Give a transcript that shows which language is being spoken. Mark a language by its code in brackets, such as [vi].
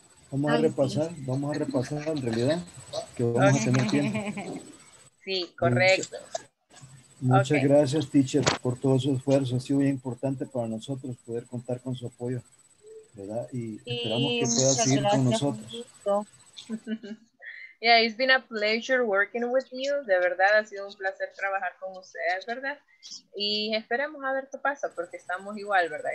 [es] Vamos a repasar en realidad, que vamos a tener tiempo. Sí, correcto. Muchas gracias, teacher, por todo su esfuerzo. Ha sido muy importante para nosotros poder contar con su apoyo, ¿verdad? Y esperamos que pueda seguir con nosotros. [en] Yeah, it's been a pleasure working with you. [es] De verdad, ha sido un placer trabajar con ustedes, ¿verdad? Y esperemos a ver qué pasa, porque estamos igual, ¿verdad?